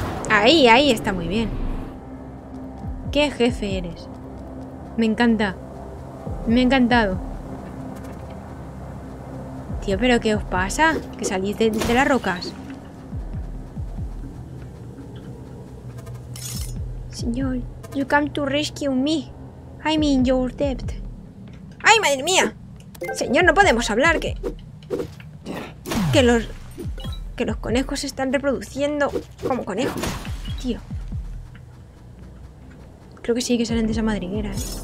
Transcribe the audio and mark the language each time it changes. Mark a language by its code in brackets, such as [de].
[es] ¡Ahí, ahí! ¡Está muy bien! ¡Qué jefe eres! ¡Me encanta! ¡Me ha encantado! Tío, ¿pero qué os pasa? ¿Que salís de las rocas? [en] Señor, you come to rescue me. I'm in your debt. [es] ¡Ay, madre mía! Señor, no podemos hablar, que... Que los conejos se están reproduciendo como conejos. Tío. Creo que sí, que salen de esa madriguera, ¿eh?